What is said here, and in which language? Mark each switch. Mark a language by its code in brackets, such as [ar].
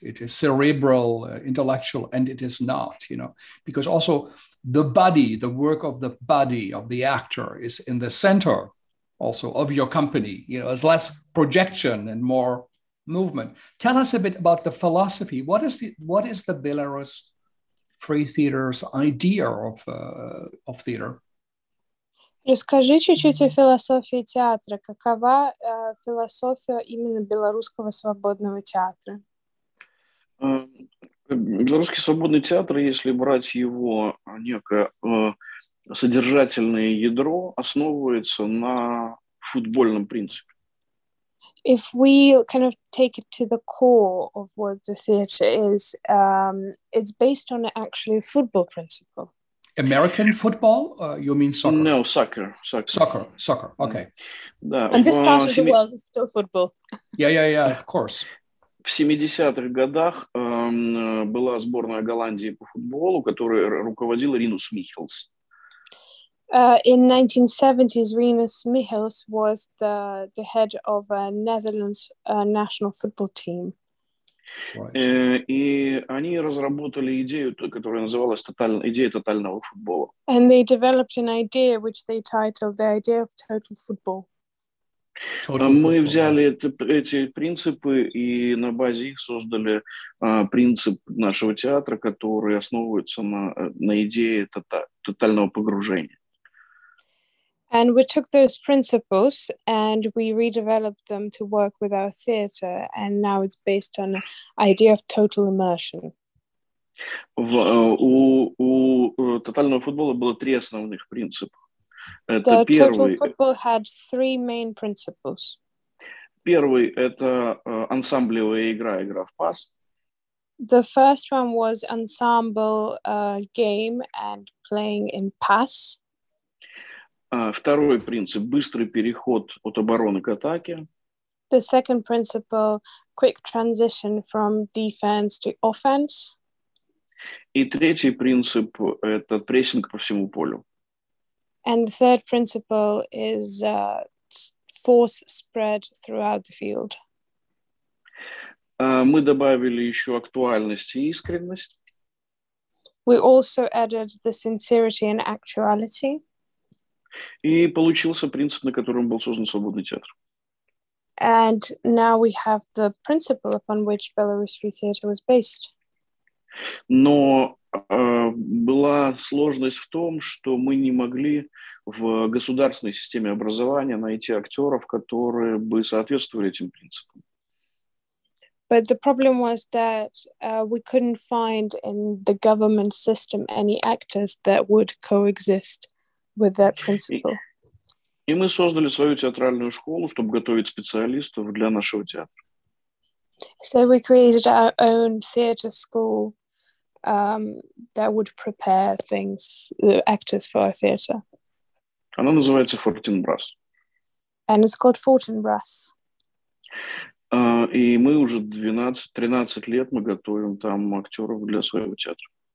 [en] It is cerebral, intellectual, and it is not, you know, because also the body, the work of the body of the actor is in the center also of your company, you know, it's less projection and more movement. Tell us a bit about the philosophy. What is the Belarus Free Theatre's idea of theater? [ru] Расскажи чуть-чуть о философии театра. Какова философия именно белорусского свободного театра? Белорусский свободный театр, если брать его некое содержательное ядро, основывается на футбольном принципе. [en] If we kind of take it to the core of what the theater is, it's based on actually a football principle. American football? You mean soccer? No, soccer. Soccer. Okay. And this part of the world is still football. Yeah, of course. [ru] В 70-х годах была сборная Голландии по футболу, которой руководил Ринус Михелс. [en] In 1970s, Ринус Михелс was the head of a Netherlands national football team. [ru] И они разработали идею, которая называлась идея тотального футбола. [en] And they developed an idea which they titled the idea of total football. [ru] Мы взяли эти принципы и на базе их создали принцип нашего театра, который основывается на идее тотального погружения. [en] And we took those principles and we redeveloped them to work with our theater, and now it's based on the idea of total immersion. [ru] У тотального футбола было три основных принципа. Это [en] the [ru] первый, [en] total football had three main principles. [ru] Первый – это ансамблевая игра, игра в пас. [en] The first one was ensemble game and playing in pass. [ru] Второй принцип – быстрый переход от обороны к атаке. [en] The second principle – quick transition from defense to offense. [ru] И третий принцип – это прессинг по всему полю. [en] And the third principle is force spread throughout the field. [ru] Мы добавили еще актуальность и искренность. [en] We also added the sincerity and actuality. [ru] И получился принцип, на котором был создан свободный театр. [en] And now we have the principle upon which Belarus Free Theatre was based. [ru] Но была сложность в том, что мы не могли в государственной системе образования найти актеров, которые бы соответствовали этим принципам. [en] But the problem was that we couldn't find in the government system any actors that would coexist with that principle. [ru] И мы создали свою театральную школу, чтобы готовить специалистов для нашего театра. [en] So we created our own theater school that would prepare things, the actors for our theater. [ru] Она называется Фортенбрас. [en] And it's called Фортенбрас. [ru] И мы уже 12-13 лет мы готовим там актеров для своего театра.